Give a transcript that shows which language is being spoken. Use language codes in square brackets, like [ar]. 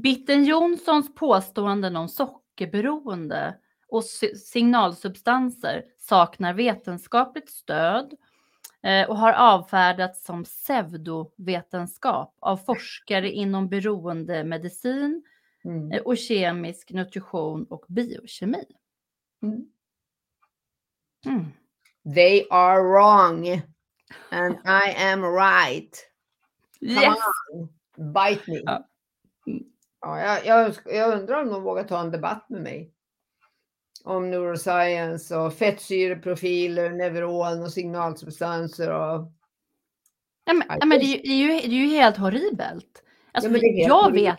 [sv] Bitten Jonssons påståenden om sockerberoende och signalsubstanser saknar vetenskapligt stöd. Och har avfärdats som pseudovetenskap av forskare inom beroende medicin och kemisk nutrition och biokemi. Mm. Mm. [en] They are wrong and I am right. Come yes. On. Bite me. Ja. Mm. [sv] Ja, jag undrar om de vågar ta en debatt med mig. Om neuroscience och fettsyreprofiler, neuron och signalsubstanser. Och... Nej, men det är ju helt horribelt. Alltså, ja, men det är helt jag horribelt.